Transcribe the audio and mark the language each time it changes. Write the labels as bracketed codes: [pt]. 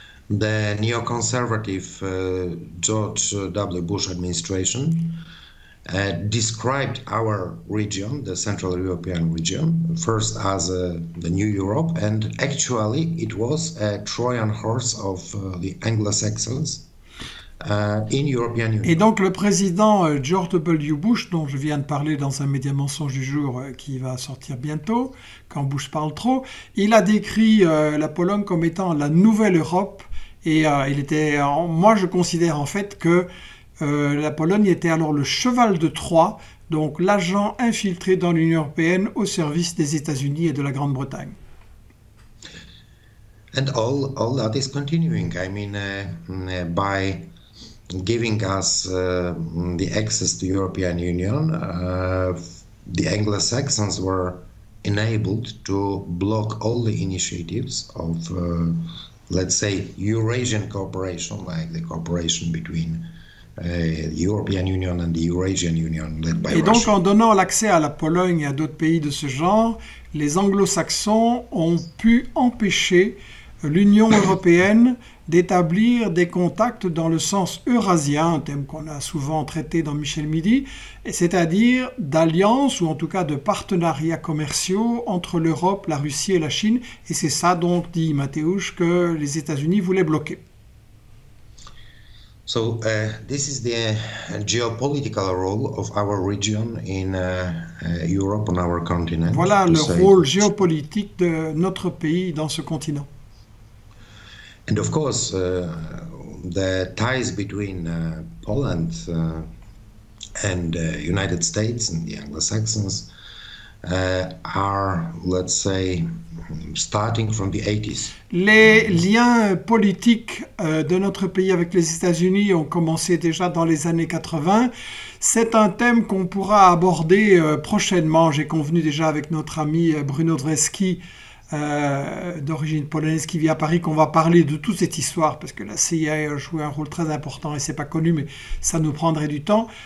[en] The neoconservative George W. Bush administration described our region, the Central European region, first as the New Europe, and actually it was a Trojan horse of the Anglo-Saxons in European Union. [fr] Et donc le président George W. Bush, dont je viens de parler dans un média mensonge du jour qui va sortir bientôt, quand Bush parle trop, il a décrit la Pologne comme étant la nouvelle Europe. Et il était, moi je considère en fait que la Pologne était alors le cheval de Troie, donc l'agent infiltré dans l'Union européenne au service des États-Unis et de la Grande-Bretagne. [en] And all that is continuing. I mean, by giving us the access to European Union, the Anglo-Saxons were enabled to block all the initiatives of let's say Eurasian cooperation, like the cooperation between the European Union and the Eurasian Union led by [fr] Et [en] Russia. [fr] Donc en donnant l'accès à la Pologne et à d'autres pays de ce genre, les Anglo-Saxons ont pu empêcher l'Union européenne d'établir des contacts dans le sens eurasien, un thème qu'on a souvent traité dans Michel Midi, c'est-à-dire d'alliances ou en tout cas de partenariats commerciaux entre l'Europe, la Russie et la Chine. Et c'est ça donc, dit Mateusz, que les États-Unis voulaient bloquer. [en] So this is the geopolitical role of our region in Europe on our continent. [fr] Voilà le rôle géopolitique de notre pays dans ce continent. [en] And of course the ties between Poland and the United States and the Anglo-Saxons are, let's say, starting from the 80s. [fr] Les liens politiques de notre pays avec les États-Unis ont commencé déjà dans les années 80. C'est un thème qu'on pourra aborder prochainement. J'ai convenu déjà avec notre ami Bruno Dreski, d'origine polonaise qui vit à Paris, qu'on va parler de toute cette histoire, parce que la CIA a joué un rôle très important et c'est pas connu, mais ça nous prendrait du temps.